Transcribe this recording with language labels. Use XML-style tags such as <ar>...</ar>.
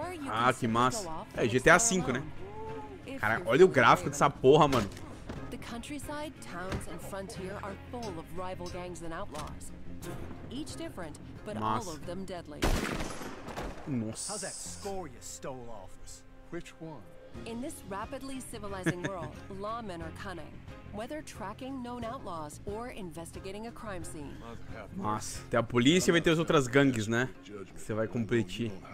<pt>Ah, que massa. É GTA V, né? Cara, olha o gráfico dessa porra, mano.</pt> <en>The countryside, towns and frontier are full of rival gangs and outlaws. Each different, but all of them deadly.</en> <pt>Nossa.</pt> <en>How's that score you stole off us? Which one? In this rapidly civilizing world, lawmen are cunning. Whether tracking known outlaws or investigating a crime scene.</en> <pt>Nossa, tem a polícia e vai ter as outras gangues, né? Você vai competir.</pt>